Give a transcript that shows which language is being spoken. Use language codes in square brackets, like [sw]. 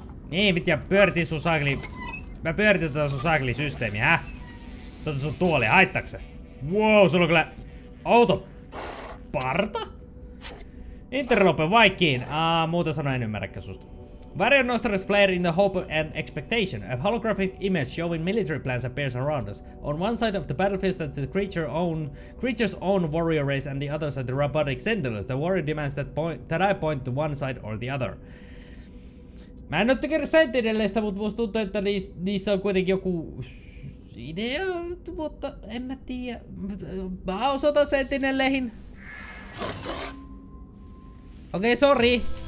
[fi] Niin, mitä pyöritin sun saakeli... Mä pyöritin tota sun saakeli systeemi, hä? Tota sun tuoli, haittaksä? Wow, sulla on kyllä... Outo... Parta? Interlope vaikkiin. Muuta sanoa en ymmärräkään susta. [en] Varian Nostra's flare in the hope and expectation. A holographic image showing military plans appears around us. On one side of the battlefield stands the creature's own warrior race and the other side the robotic sentinels. The warrior demands that I point to one side or the other. [fi] Mä en ootte kerran sentinelleistä, mutta musta tuntuu, että niissä on kuitenkin joku idea, mutta en mä tiedä. Mä osoitan sentinelleihin. Okei, sorry.